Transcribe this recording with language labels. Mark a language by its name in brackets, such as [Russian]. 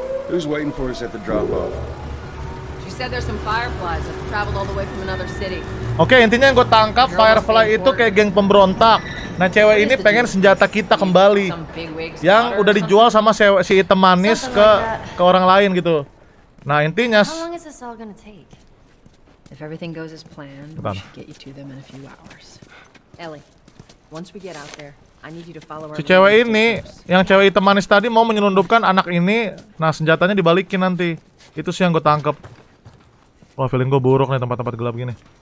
[English] Who's waiting for us at the drop-off? Said there's some fireflies that traveled all the way from another city. [Indonesian] Oke, intinya yang gue tangkap firefly itu kayak geng pemberontak. Nah, cewek ini pengen senjata kita kembali yang udah dijual sama si item manis ke orang lain gitu. Nah, intinya [English] how long is this all gonna take? If everything goes as planned, we should get you to them in a few hours. Ellie, once we get out there, I need you to follow our [Indonesian] si cewek ini, yang cewek item manis tadi mau menyelundupkan anak ini. Nah, senjatanya dibalikin nanti. Itu sih yang gue tangkap. Wah, feeling gue buruk nih tempat-tempat gelap gini.